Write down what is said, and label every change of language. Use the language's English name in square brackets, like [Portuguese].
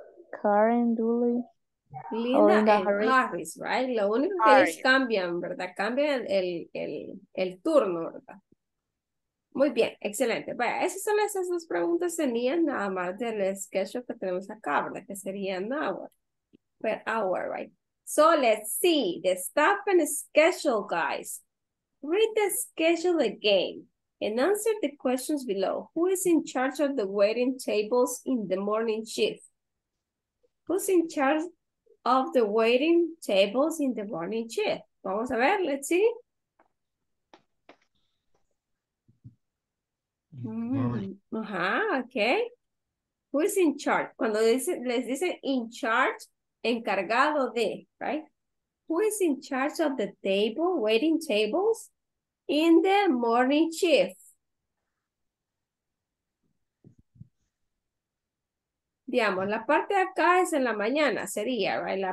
[English] Karen Dooley. [Spanish] Linda and Harris. Harris, right? Lo único que ellos cambian, ¿verdad? Cambian el turno, ¿verdad? Muy bien, excelente. Vaya, esas son esas dos preguntas que tenían nada más del sketch que tenemos acá, ¿verdad? Que serían [English] hour. Per hour, right? So let's see the staff and schedule, guys. Read the schedule again and answer the questions below. Who is in charge of the waiting tables in the morning shift? Who's in charge of the waiting tables in the morning shift? [Spanish] Vamos a ver, [English] let's see. Mm, okay. Who is in charge? [Spanish] Cuando dice, les dice in charge, encargado de, right? [English] Who is in charge of the table, waiting tables in the morning shift? [Spanish] Digamos, la parte de acá es en la mañana, sería, right?